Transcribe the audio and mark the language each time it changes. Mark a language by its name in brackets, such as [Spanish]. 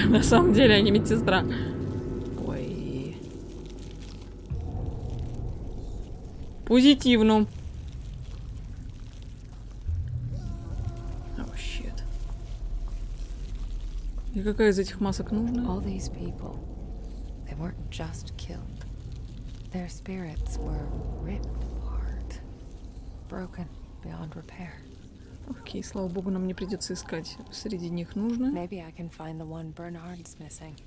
[Russian] На самом деле, а не медсестра. Ой. Позитивно. И какая из этих масок нужна? [English] All these people, they weren't just killed. Their spirits were ripped apart, broken beyond repair. [Russian] Окей, слава богу, нам не придется искать среди них нужную. [English] Maybe I can find the one Bernard's missing.